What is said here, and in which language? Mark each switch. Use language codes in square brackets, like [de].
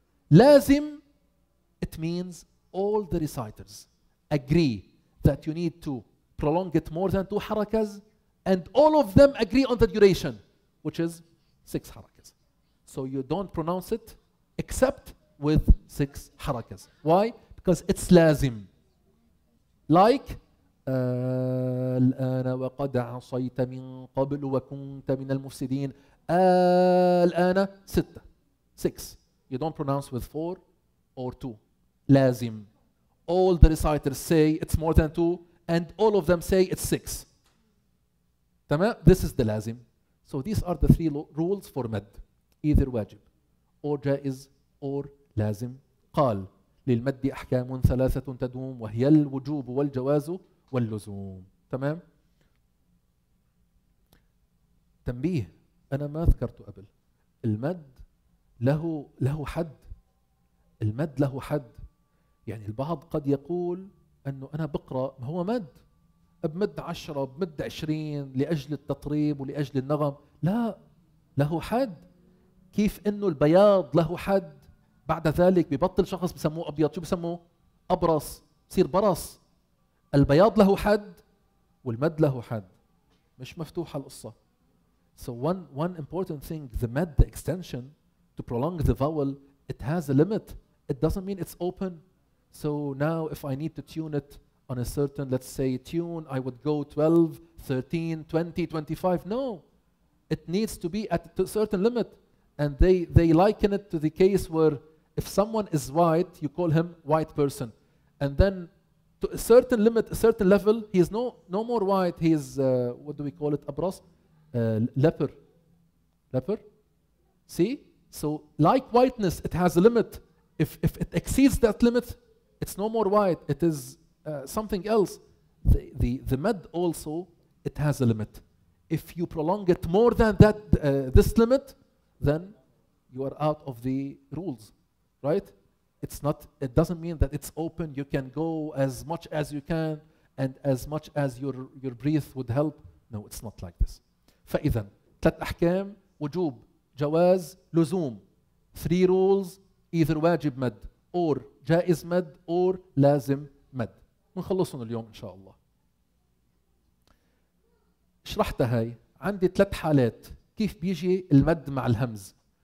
[en] Lazim, it means all the reciters agree that you need to prolong it more than two harakas, and all of them agree on the duration, which is six harakas. So you don't pronounce it except with six harakas. Why? Because it's lazim. [ar] Like الآن وقد عصيت من قبل وكنت من المفسدين. الآن ستة. Six. [en] You don't pronounce with four or two. Lazim. All the reciters say it's more than two, and all of them say it's six. تمام؟ This is the lazim. So these are the three rules for mad. Either wajib or jaiz or lazim. [ar] قال للمد أحكام ثلاثة تدوم وهي الوجوب والجواز واللزوم. تمام؟ تنبيه، أنا ما ذكرت قبل، المد له حد. المد له حد. يعني البعض قد يقول أنه أنا بقرأ، ما هو مد، بمد عشرة، بمد عشرين لأجل التطريب ولأجل النغم. لا، له حد. كيف أنه البياض له حد، بعد ذلك ببطل شخص بسموه أبيض، شو بسموه؟ أبرص، بصير برص. البياض له حد والمد له حد، مش مفتوحة القصة. [en] So one important thing, the mad, the extension to prolong the vowel, it has a limit. It doesn't mean it's open. So now if I need to tune it on a certain, let's say, tune, I would go 12, 13, 20, 25. No, it needs to be at a certain limit. And they liken it to the case where if someone is white, you call him white person. And then to a certain limit, a certain level, he is no more white. He is, what do we call it, abras? Leper. Leper? See? So like whiteness, it has a limit. If it exceeds that limit, it's no more white. It is something else. The mad also, it has a limit. If you prolong it more than that this limit, then you are out of the rules, right? It's not, it doesn't mean that it's open. You can go as much as you can and as much as your breath would help. No, it's not like this. [ar] فإذن ثلاث أحكام وجوب جواز لزوم. [en] Three rules, either واجب مد or جائز مد or لازم مد. [ar] منخلصهم اليوم إن شاء الله. شرحت هاي، عندي ثلاث حالات كيف بيجي المد مع الهمز.